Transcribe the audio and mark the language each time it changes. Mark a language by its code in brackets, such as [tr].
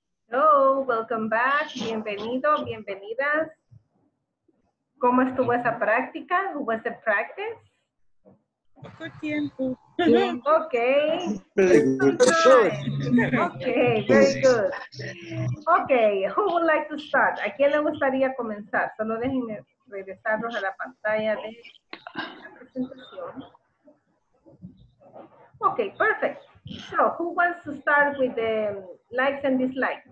[en] Hello, welcome back. [es] Bienvenido, bienvenidas. ¿Cómo estuvo esa práctica? ¿Cómo fue la práctica? Tiempo. [en] Okay. Okay, very good. Okay, who would like to start? [es] ¿A quién le gustaría comenzar? Solo déjenme regresarlos a la pantalla de la presentación. [en] Okay, perfect. So, who wants to start with the likes and dislikes?